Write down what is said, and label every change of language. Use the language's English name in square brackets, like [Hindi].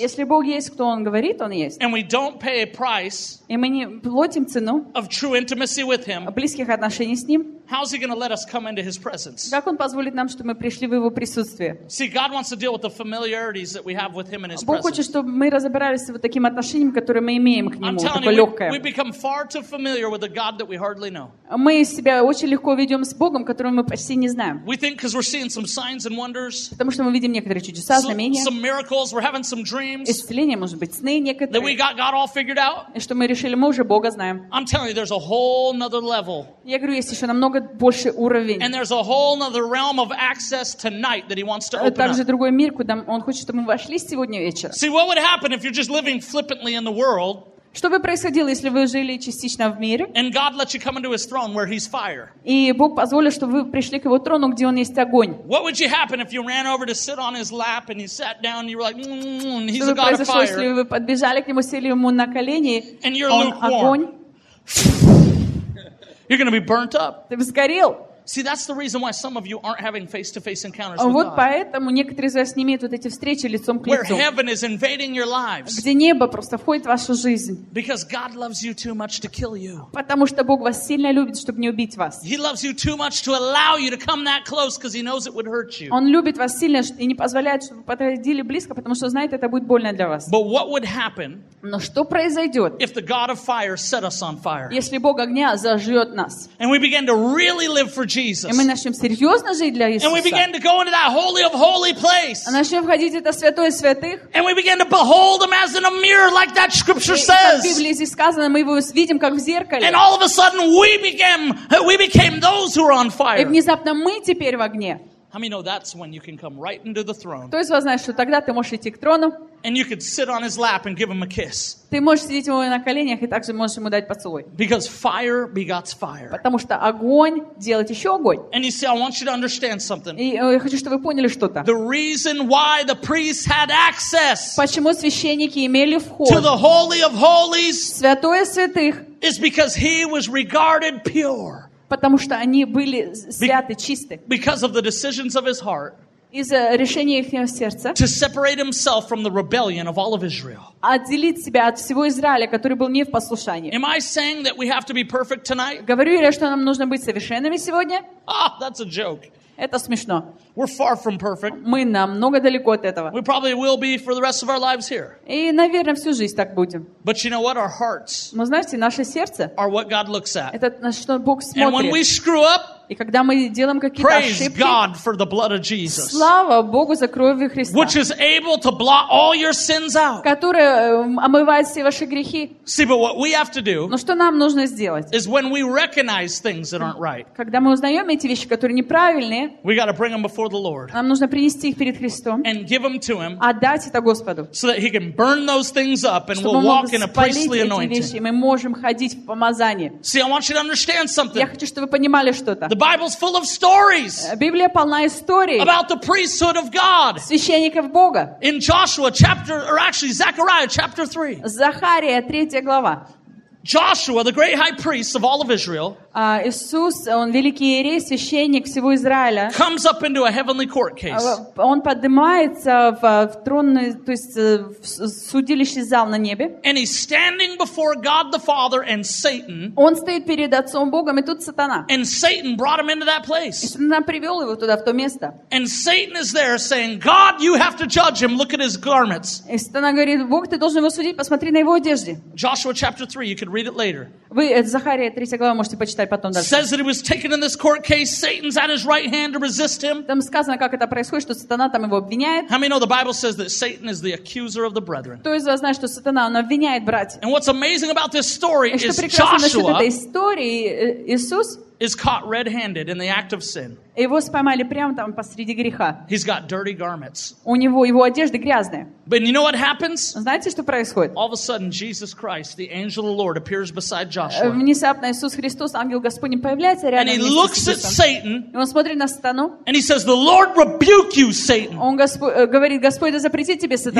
[Russian] Если Бог есть, кто Он говорит, Он есть. [English] And we don't pay a price. [Russian] И мы не платим цену. [English] Of true intimacy with Him. [Russian] Близких отношений с Ним. [English] How's He going to let us come into His presence? [Russian] Как Он позволит нам, чтобы мы пришли в Его присутствие? [English] See, God wants to deal with the familiarities that we have with Him in His [Russian] Бог [English] presence. [Russian] Бог хочет, чтобы мы разобрались с вот таким отношением, которое мы имеем к Нему, такое легкое. [English] We become far too familiar with a God that we hardly know. [Russian] Мы себя очень легко ведем с Богом, которого мы почти не знаем. [English] We think because we're seeing some signs and wonders. [Russian] Потому что мы видим некоторые чудеса, знамения. [English] Some miracles. We're having some dreams. [Russian] Исцеления, может быть, сны некоторые. [English] That we got God all figured out. [Russian] И что мы решили, мы уже Бога знаем. [English] I'm telling you, there's a whole another level. [Russian] Я говорю, есть еще намного больше уровень. [English] And there's a whole another realm of access tonight that He wants to open up. [Russian] Также другой мир, куда Он хочет, чтобы мы вошли сегодня вечером. [English] See, what would happen if you're just living flippantly in the world? [Russian] Что бы происходило, если вы жили частично в мире? И Бог позволил, чтобы вы пришли к Его трону, где Он есть огонь. [English] What would you happen if you ran over to sit on His lap and you sat down and you were like, He's a God of fire? [Russian] Что бы произошло, если вы подбежали к Нему, сели Ему на колени, Он огонь? [English] You're going to be burnt up. [Russian] Ты бы сгорел. [English] See, that's the reason why some of you aren't having face-to-face encounters [Russian] with [English] God. [Russian] Вот поэтому некоторые из вас не имеют вот эти встречи лицом к лицу. [English] Where heaven is invading your lives. [Russian] Где небо просто входит в вашу жизнь. [English] Because God loves you too much to kill you. [Russian] Потому что Бог вас сильно любит, чтобы не убить вас. [English] He loves you too much to allow you to come that close because He knows it would hurt you. [Russian] Он любит вас сильно и не позволяет, чтобы подходили близко, потому что знает, это будет больно для вас. [English] But what would happen? [Russian] Но что произойдет, [English] if the God of fire set us on fire, [Russian] если Бог огня зажжет нас, [English] and we begin to really live for Jesus, [Russian] и мы начнем серьезно жить для Иисуса, [English] and we begin to go into that holy of holy place, [Russian] и начнем входить в это святое святых, [English] and we begin to behold Him as in a mirror, like that Scripture says, [Russian] и как в Библии здесь сказано, мы его видим как в зеркале, [English] and all of a sudden we became those who are on fire, [Russian] и внезапно мы теперь в огне. [English] How many know that's when you can come right into the throne? [Russian] Кто из вас знает, что тогда ты можешь идти к трону? [English] And you could sit on his lap and give him a kiss. [Russian] Ты можешь сидеть у него на коленях и также можешь ему дать поцелуй. [English] Because fire begets fire. [Russian] Потому что огонь делает еще огонь. [English] And you see, I want you to understand something. [Russian] И я хочу, чтобы вы поняли что-то. [English] The reason why the priests had access. [Russian] Почему священники имели вход? [English] To the holy of holies. [Russian] Святое святых. [English] Is because he was regarded pure. [Russian] Потому что они были святы, чисты. [English] Because of the decisions of his heart. [Russian] Из-за решения их сердца. [English] To separate himself from the rebellion of all of Israel. [Russian] Отделить себя от всего Израиля, который был не в послушании. [English] Am I saying that we have to be perfect tonight? [Russian] Говорю ли я, что нам нужно быть совершенными сегодня? [English] Oh, that's a joke. [Russian] Это смешно. [English] We're far from perfect. [Russian] Мы намного далеко от этого. [English] We probably will be for the rest of our lives here. [Russian] И, наверное, всю жизнь так будем. [English] But you know what? Our hearts. [Russian] Но знаете, наше сердце. [English] Are what God looks at. [Russian] Это на что Бог смотрит. [English] And when we screw up. [Russian] И когда мы делаем какие-то [English] Praise [Russian] ошибки, [English] God for the blood of Jesus, [Russian] слава Богу за кровью Христа, [English] which is able to blot all your sins out, [Russian] которая омывает все ваши грехи. [English] See, but what we have to do, [Russian] но что нам нужно сделать, [English] is when we recognize things that aren't right, [Russian] когда мы узнаем эти вещи, которые неправильные, [English] we got to bring them before the Lord, [Russian] нам нужно принести их перед Христом, [English] and give them to Him, [Russian] отдать это Господу, [English] so that He can burn those things up, and we'll walk in a priestly anointing. [Russian] Мы можем ходить в помазании. [English] See, I want you to understand something. [Russian] Я хочу, чтобы вы понимали что-то. [English] The Bible's full of stories. [Russian] Библия полна историй. [English] About the priesthood of God. [Russian] Священников Бога. [English] In Joshua chapter, or actually Zechariah chapter 3. [Russian] Захария, 3 глава. [English] Joshua, the great high priest of all of Israel. [Russian] Иисус, он великий иерей, священник всего Израиля. [English] Comes up into a heavenly court case. [Russian] Он поднимается в тронный, то есть в судилище зал на небе. [English] And he's standing before God the Father and Satan. [Russian] Он стоит перед Отцом Богом и тут Сатана. [English] And Satan brought him into that place. [Russian] И Сатана привел его туда, в то место. [English] And Satan is there saying, God, you have to judge him. Look at his garments. [Russian] И Сатана говорит, Бог, ты должен его судить, посмотри на его одежды. [English] Joshua chapter 3, you can read it later. [Russian] Вы Захария 3 глава можете почитать. [English] Says that he was taken in this court case. Satan's at his right hand to resist him. [Russian] Там сказано, как это происходит, что сатана там его обвиняет. [English] How many know the Bible says that Satan is the accuser of the brethren? [Russian] Кто из вас знает, что сатана он обвиняет братьев? [English] And what's amazing about this story is Joshua. [Russian] И что прекрасно насчет этой истории, Иисус. [English] Is caught red-handed in the act of sin. [Russian] Его поймали прямо там посреди греха. [English] He's got dirty garments. [Russian] У него его одежды грязные. [English] But you know what happens? [Russian] Знаете, что происходит? [English] All of a sudden, Jesus Christ, the angel of the Lord, appears beside Joshua. [Russian] Внезапно Иисус Христос, ангел Господень, появляется рядом. [English] And he looks at Satan. [Russian] И он смотрит на сатану. [English] And he says, "The Lord rebuke you, Satan." [Russian] Он говорит, Господь, да запретит тебе сатана.